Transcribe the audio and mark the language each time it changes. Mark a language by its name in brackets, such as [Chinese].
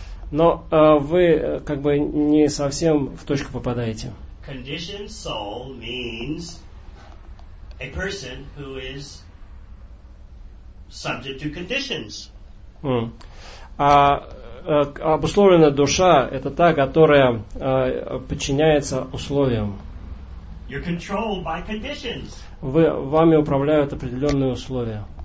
[Russian] Но вы как бы не совсем в точку попадаете. [English] Conditioned soul means a person who is subject to conditions. [Russian] Обусловленная душа — это та, которая подчиняется условиям. [English] You're controlled by conditions. [Russian] Вами управляют определенные условия.